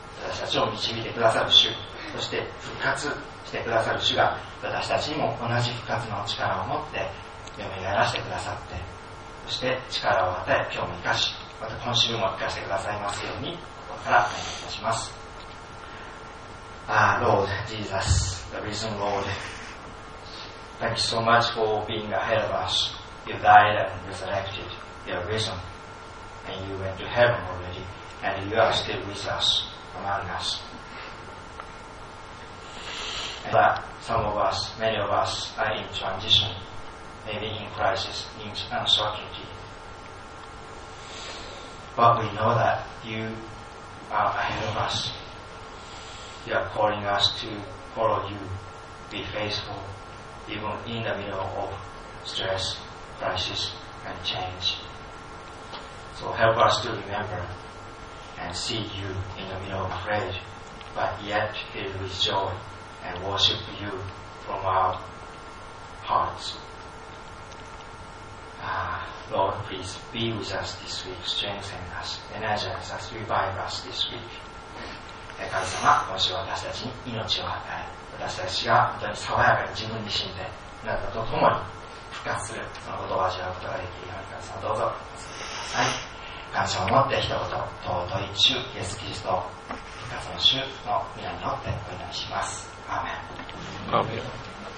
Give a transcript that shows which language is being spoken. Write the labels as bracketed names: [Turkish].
[Japanese] 私たちを導いてくださる主、そして復活してくださる主が、私たちにも同じ復活の力を持って蘇らせてくださって、そして力を与え、今日も生かし、また今週も生かしてくださいますように、ここからお願いいたします。 [English] Lord Jesus, the risen Lord, thank you so much for being ahead of us. You died and resurrected, you are risen, and you went to heaven already, and you are still with us, among us. But some of us, many of us, are in transition, maybe in crisis, in uncertainty. But we know that you are ahead of us. You are calling us to follow you, be faithful, even in the middle of stress, crisis, and change. So help us to remember and see you in the middle of prayer, but yet filled with joy and worship you from our hearts. Lord, please be with us this week, strengthen us, energize us, revive us this week. [Japanese] 神様、今週私たちに命を与え、私たちが本当に爽やかに自分に死んで、あなたと共に復活する、そのことを味わうことができるように、神様、どうぞ、お進みください。感謝を持って一言、尊い主、イエス・キリスト、復活の主の皆によってお祈りします。アーメン。アーメン。